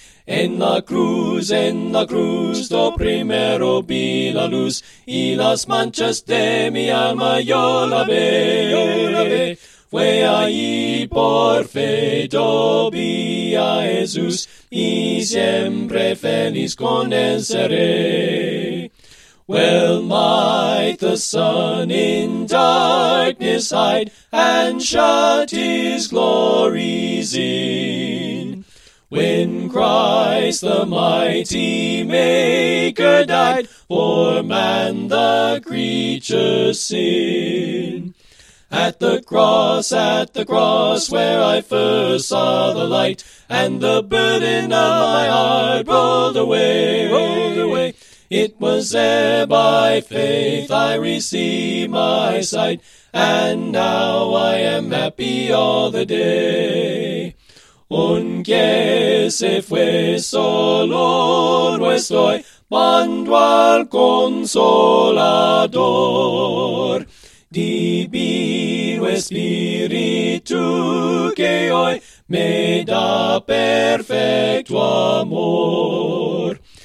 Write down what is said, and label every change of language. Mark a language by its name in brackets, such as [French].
[Spanish] En la cruz, do primero vi la luz, y las manchas de mi alma yo la ve. Fue allí por fe, do vi a Jesús, y siempre feliz con él seré. [English] Well might the sun in darkness hide, and shut his glories in. When Christ the mighty Maker died, for man the creature's sin. At the cross where I first saw the light, and the burden of my heart rolled away. It was there by faith I received my sight, and now I am happy all the day. [Spanish] Aunque se fue solo no estoy, mando al Consolador. Divino Espíritu que hoy me da perfecto amor.